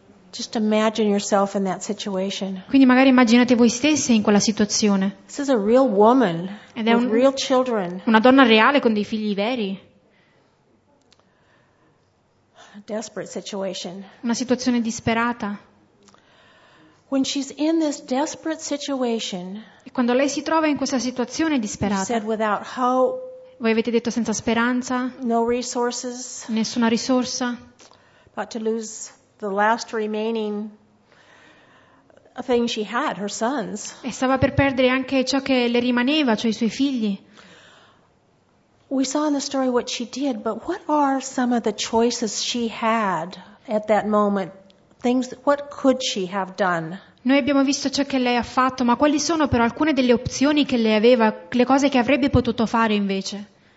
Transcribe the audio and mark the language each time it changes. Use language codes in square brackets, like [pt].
[en] Just imagine yourself in that situation. [it] Quindi magari immaginate voi stesse in quella situazione. [en] This is a real woman with real children. [it] Una donna reale con dei figli veri. [en] Desperate situation. [it] Una situazione disperata. [en] When she's in this desperate situation. [it] E quando lei si trova in questa situazione disperata. [en] Said without hope. [it] Voi avete detto senza speranza, [en] no resources, [it] nessuna risorsa, [en] but to lose the last remaining thing she had, her sons. [it] E stava per perdere anche ciò che le rimaneva, cioè i suoi figli. [en] We saw in the story what she did, but what are some of the choices she had at that moment? Things that, what could she have done? [it] Noi abbiamo visto ciò che lei ha fatto, ma quali sono però alcune delle opzioni che lei aveva, le cose che avrebbe potuto fare invece?